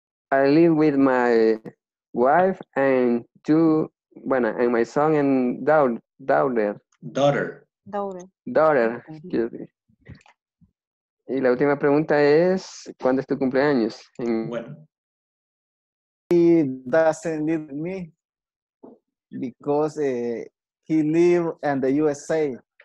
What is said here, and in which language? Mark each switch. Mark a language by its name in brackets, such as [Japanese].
[English] I live with my wife and and my son and daughter. Daughter. Excuse me. [Spanish] Y la última pregunta es, ¿cuándo es tu cumpleaños? Bueno. [English] He doesn't need me because he lives in the USA.